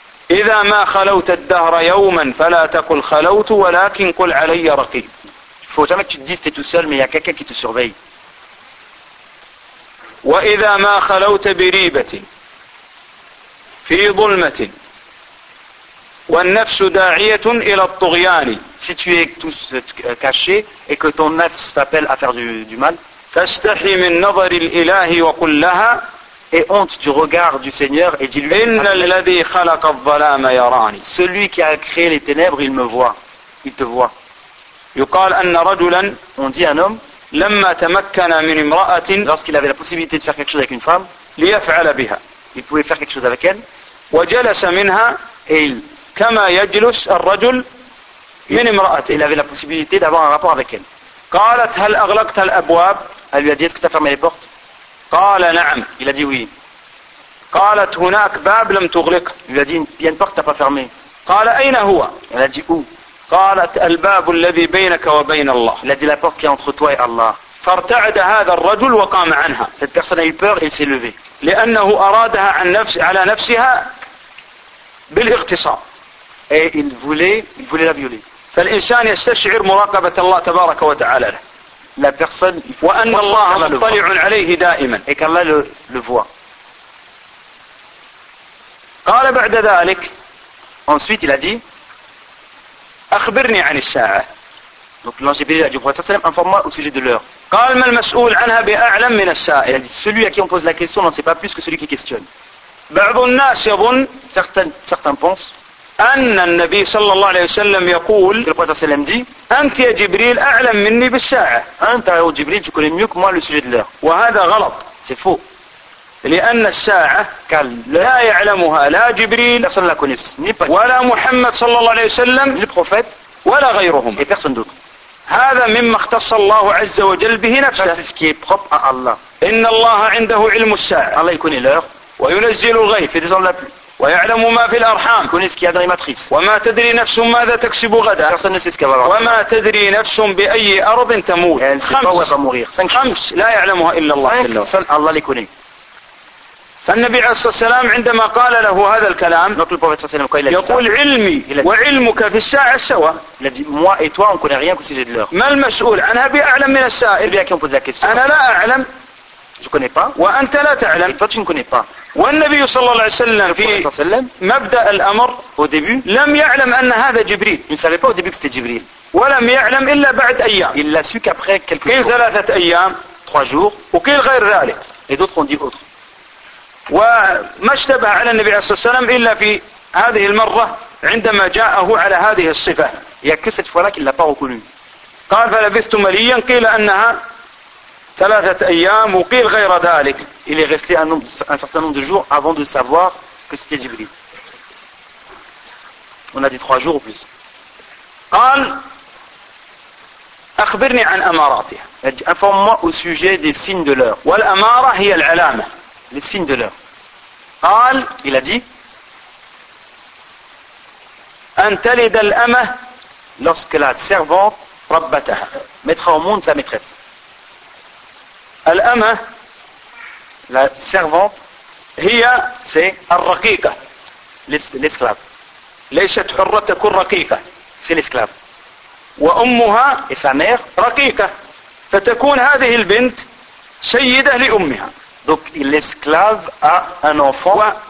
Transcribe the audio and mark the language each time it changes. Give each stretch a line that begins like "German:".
Arabic: إذا ما خلوت الدهر يوما فلا تقل خلوت ولكن قل علي رقيب.
French: Il faut jamais que tu te dises t'es tout seul, mais il y a quelqu'un qui te surveille.
Arabic: وإذا ما خلوت بريبة في ظلمة والنفس داعية إلى الطغيان,
French: si tu es tout caché et que ton nefs t'appelle à faire du mal,
Arabic: فاستحي من نظر الإله وقل لها,
French: et honte du regard du Seigneur et dis-lui,
Arabic: إن الذي خلق الظلام يراني,
French: celui qui a créé les ténèbres il me voit, il te voit.
Arabic: يقال أن رجلا,
French: on dit un homme,
Arabic: لما تمكن من امرأة,
French: lorsqu'il avait la possibilité de faire quelque chose avec une femme,
Arabic: ليفعل بها,
French: il pouvait faire quelque chose avec elle,
Arabic: وجلس منها,
French: et il,
Arabic: كما يجلس الرجل من امرأة,
French: il avait la possibilité d'avoir un rapport avec elle,
Arabic: قالت هل أغلقت الأبواب؟
French: Elle lui a dit, est-ce que tu as fermé les portes?
Arabic: قال نعم.
French: Il a dit oui.
Arabic: قالت هناك باب لم تغلق.
French: Il lui a dit, il y a une porte que tu n'as pas fermée.
Arabic: قال أين هو؟
French: Elle a dit où?
Arabic: قالت الباب الذي بينك وبين الله.
French: Il a dit la porte qui est entre toi et Allah.
Arabic: فارتعد هذا الرجل وقام عنها.
French: Cette personne a eu peur et elle s'est levée.
Arabic: لأنه أرادها عن نفس على نفسها بالاغتصاب.
French: Et il voulait la violer.
Arabic: فالإنسان يستشعر مراقبة الله تبارك وتعالى.
French: La personne,
Arabic: وأن الله مطلع عليه دائما.
French: Et qu'Allah le voit.
Arabic: قال بعد ذلك.
French: Ensuite il a dit.
Arabic: أخبرني عن الساعة.
French: Donc l'ange Jibril a dit au prophète sallam, informe-moi au sujet de l'heure.
Arabic: قال ما المسؤول عنها بأعلم من السائل.
French: Il a dit, celui à qui on pose la question n'en sait pas plus que celui qui questionne.
Arabic: بعض الناس يظن.
French: Certains pensent.
Arabic: أن النبي صلى الله عليه وسلم يقول أنت يا جبريل أعلم مني بالساعة أنت يا جبريل تكون ميوك ما لسجد الله وهذا غلط
French: c'est faux
Arabic: لأن الساعة لا يعلمها لا جبريل
French: personne la connaisse ni pas
Arabic: ولا محمد صلى الله عليه وسلم
French: ni prophète
Arabic: ولا غيرهم
French: et personne d'autre
Arabic: هذا مما اختص الله عز وجل به نفسه
French: c'est ce qui est propre à Allah
Arabic: إن الله عنده علم الساعة
French: Allah il connaît l'heure
Arabic: وينزل الغيث
French: il descend la pluie
Arabic: ويعلم ما في الأرحام.
French: connaît ce qu'il y a dans les matrices.
Arabic: وما تدري نفس ماذا تكسب غدا.
French: personne ne sait ce qu'elle va avoir.
Arabic: وما تدري نفس بأي أرض تموت.
French: elle sait pas où elle va mourir.
Arabic: خمس لا يعلمها إلا الله.
French: seul Allah les connaît.
Arabic: فالنبي عليه الصلاة والسلام عندما قال له هذا الكلام.
French: donc le prophète
Arabic: صلى الله عليه وسلم يقول علمي وعلمك في الساعة سوا.
French: il a dit moi et toi on connaît rien qu'au sujet de l'heure.
Arabic: ما المسؤول عنها بأعلم من السائل.
French: celui à qui on pose la question.
Arabic: أنا لا أعلم.
French: je connais pas.
Arabic: وأنت لا تعلم.
French: et toi tu ne connais pas.
Arabic: والنبي صلى الله عليه وسلم في مبدأ الأمر
French: au début,
Arabic: لم يعلم أن هذا جبريل.
French: il ne savait pas au début que c'était جبريل.
Arabic: ولم يعلم إلا بعد أيام.
French: il l'a su qu'après quelques jours.
Arabic: كيل ثلاثة أيام.
French: trois jours.
Arabic: وكيل غير ذلك.
French: et d'autres ont dit autre.
Arabic: وما اشتبه على النبي صلى الله عليه وسلم إلا في هذه المرة عندما جاءه على هذه الصفة.
French: il y a que cette fois-là qu'il l'a pas reconnu.
Arabic: قال فلبثت مليا قيل أنها ثلاثة أيام وقيل غير ذلك.
French: il est resté un certain nombre de jours avant de savoir que c'était Jibril. on a dit trois jours ou plus.
Arabic: قال أخبرني عن أماراتها.
French: il a dit informe-moi au sujet des signes de l'heure.
Arabic: والأمارة هي العلامة.
French: les signes de l'heure.
Arabic: قال
French: il a dit
Arabic: أن تلد الأمة
French: lorsque la servante
Arabic: ربتها
French: mettra au monde sa maîtresse.
Arabic: الأمة
French: la servante
Arabic: هي
French: c'est
Arabic: الرقيقة
French: l'esclave
Arabic: ليست حرة كل رقيقة
French: c'est l'esclave
Arabic: وأمها
French: et sa mère
Arabic: رقيقة فتكون هذه البنت سيدة لأمها
French: donc l'esclave a un enfant